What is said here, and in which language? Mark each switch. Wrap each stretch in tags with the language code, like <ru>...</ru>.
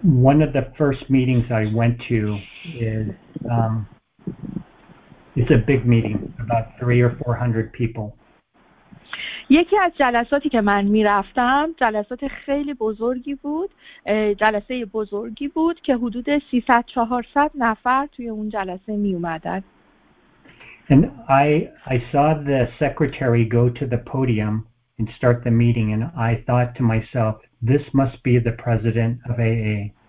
<en>One of the first meetings I went to is it's a big meeting, about 300 or 400 people.</en> <fa>یکی از جلساتی که من می‌رفتم جلسات خیلی بزرگی بود، جلسه بزرگی بود که حدود 300-400 نفر توی اون جلسه می‌اومدن.</fa> <en>And I saw the secretary go to the podium and start the meeting, and I thought to myself, this must be the president of AA.</en>